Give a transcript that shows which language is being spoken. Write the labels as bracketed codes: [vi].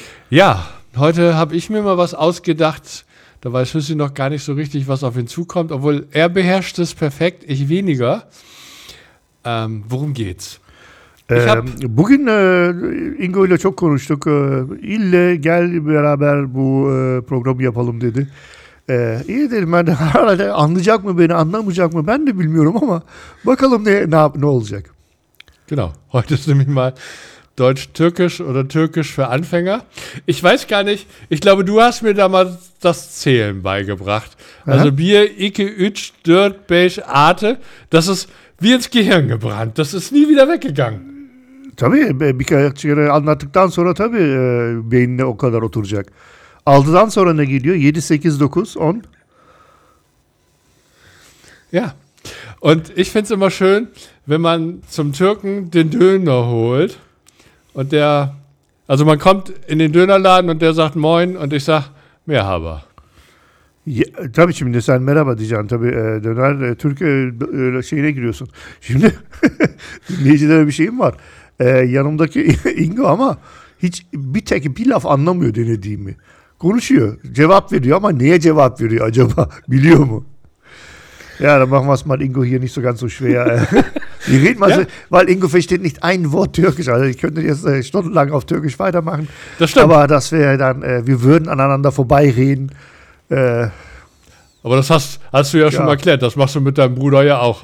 [de] Ja, heute habe ich mir mal was ausgedacht, da weiß Hüssi noch gar nicht so richtig, was auf ihn zukommt, obwohl er beherrscht es perfekt, ich weniger. Worum geht's? [tr] Bugün Ingo ile çok konuştuk. İlle gel beraber bu programı yapalım dedi. İyi dedim ben de herhalde anlayacak mı beni anlamayacak mı ben de bilmiyorum ama bakalım ne olacak. [de] Genau, heute ist nämlich mal Deutsch-Türkisch oder Türkisch für Anfänger. Ich weiß gar nicht, ich glaube du hast mir damals das Zählen beigebracht. Also [tr] Bier, Ike, Ütsch, Dört, Beige, Arte, [de] das ist wie ins Gehirn gebrannt, das ist nie wieder weggegangen. [tr] Tabii birkaç kere anlattıktan sonra tabii beynine o kadar oturacak. 6'dan sonra ne geliyor? 7, 8, 9, 10. [de] Ja. Und ich finde es immer schön, wenn man zum Türken den Döner holt und der, also man kommt in den Dönerladen und der sagt Moin und ich sag Merhaba. [tr] Ya, tabii şimdi sen merhaba diyeceksin tabii döner Türkiye şeyine giriyorsun. Şimdi dinleyicilere bir şeyim var. Yanımdaki Ingo ama hiç bir tek bir laf anlamıyor denediğimi. Konuşuyor, cevap veriyor ama neye cevap veriyor acaba? Biliyor mu? [de] Ja, dann machen wir es mal Ingo hier nicht so ganz so schwer. Wir reden mal, ja? Weil Ingo versteht nicht ein Wort Türkisch. Also ich könnte jetzt stundenlang auf Türkisch weitermachen. Das stimmt. Aber das wäre dann, wir würden aneinander vorbeireden. Aber das hast du ja schon mal erklärt, das machst du mit deinem Bruder ja auch.